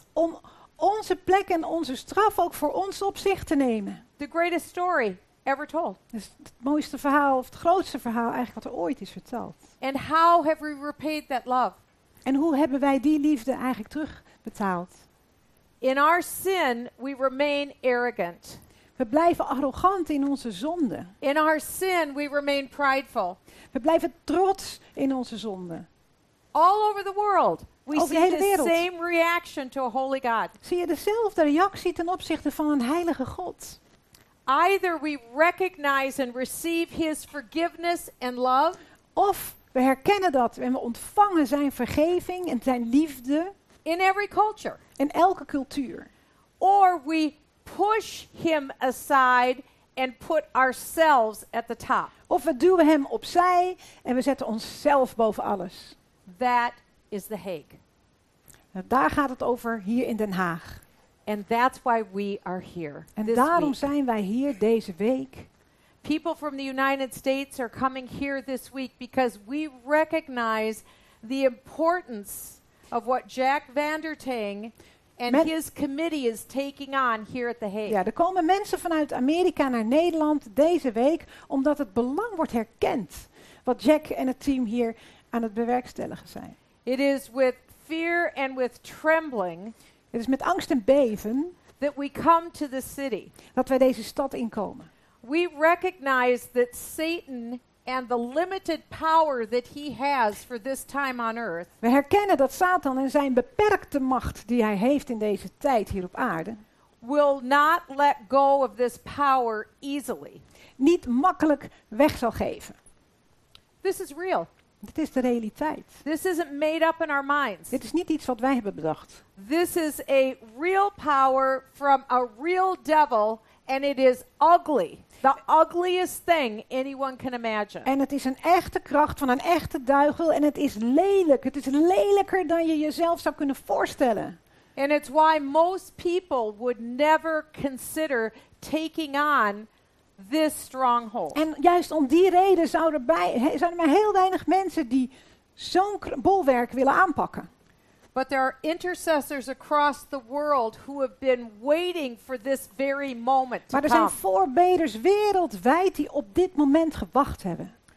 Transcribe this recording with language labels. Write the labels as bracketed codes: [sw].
[nl] Om onze plek en onze straf ook voor ons op zich te nemen. [en] The greatest story ever told. [nl] Dus het mooiste verhaal of het grootste verhaal eigenlijk wat er ooit is verteld. [en] And how have we repaid that love? [nl] En hoe hebben wij die liefde eigenlijk terugbetaald? [en] In our sin, we remain arrogant. [nl] We blijven arrogant in onze zonde. [en] In our sin we remain prideful. [nl] We blijven trots in onze zonde. [en] All over the world we [nl] over [en] see [nl] de hele [en] the same reaction to a holy God. [nl] Zie je dezelfde reactie ten opzichte van een heilige God? [en] Either we recognize and receive his forgiveness and love, [nl] of we herkennen dat en we ontvangen zijn vergeving en zijn liefde [en] in every culture. [nl] In elke cultuur. [en] Or we push him aside and put ourselves at the top. [nl] Of we duwen hem opzij en we zetten onszelf boven alles. [en] That is the Hague. [nl] Daar gaat het over hier in Den Haag. [en] And that's why we are here. [nl] En daarom zijn wij hier deze week. [en] People from the United States are coming here this week because we recognize the importance of what Jack Vander Ting and his committee is taking on here at the Hague. [nl] Ja, er komen mensen vanuit Amerika naar Nederland deze week omdat het belang wordt herkend wat Jack en het team hier aan het bewerkstelligen zijn. [en] It is with fear and with trembling. [nl] Het is met angst en beven [en] that we come to the city. [nl] Dat wij deze stad inkomen. [en] We recognize that Satan and the limited power that he has for this time on earth. [nl] We herkennen dat Satan en zijn beperkte macht die hij heeft in deze tijd hier op aarde [en] will not let go of this power easily. [nl] Niet makkelijk weg zal geven. [en] This is real. [nl] Dit is de realiteit. [en] This isn't made up in our minds. [nl] Dit is niet iets wat wij hebben bedacht. [en] This is a real power from a real devil and it is ugly. The ugliest thing anyone can imagine. [nl] En het is een echte kracht van een echte duivel en het is lelijk. Het is lelijker dan je jezelf zou kunnen voorstellen. [en] And it's why most people would never consider taking on this stronghold. [nl] En juist om die reden zijn er maar heel weinig mensen die zo'n bolwerk willen aanpakken. [en] But there are intercessors across the world who have been waiting for this very moment to come. [nl] Maar er zijn voorbeders wereldwijd die op dit moment gewacht hebben.